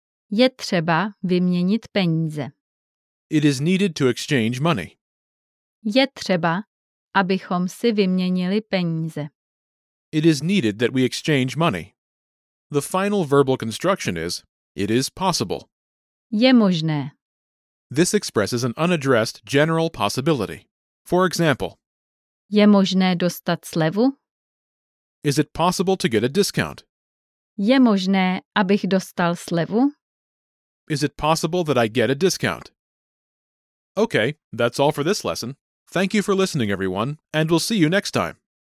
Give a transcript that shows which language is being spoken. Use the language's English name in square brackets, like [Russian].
[Czech] je třeba vyměnit peníze. [English] It is needed to exchange money. [Czech] Je třeba, abychom si vyměnili peníze. [English] It is needed that we exchange money. The final verbal construction is it is possible. [Czech] Je možné. [English] This expresses an unaddressed general possibility. For example, [Czech] je možné dostat slevu? [English] Is it possible to get a discount? [Czech] Je možné, abych dostal slevu? [English] Is it possible that I get a discount? Okay, that's all for this lesson. Thank you for listening, everyone, and we'll see you next time.